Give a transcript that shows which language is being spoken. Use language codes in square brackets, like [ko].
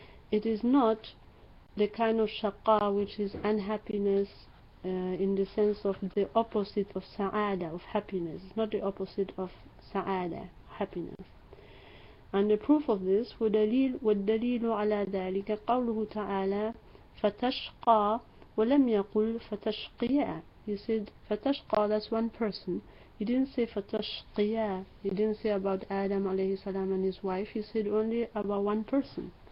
[en] It is not the kind of shaqa which is unhappiness, in the sense of the opposite of sa'ada, of happiness. It's not the opposite of sa'ada, happiness. And the proof of this, [ar] والدليل على ذلك قوله تعالى فتشقى ولم يقل فتشقيا. [en] He said فتشقى, that's one person. He didn't say فتشقيا. He didn't say about Adam عليه السلام and his wife. He said only about one person.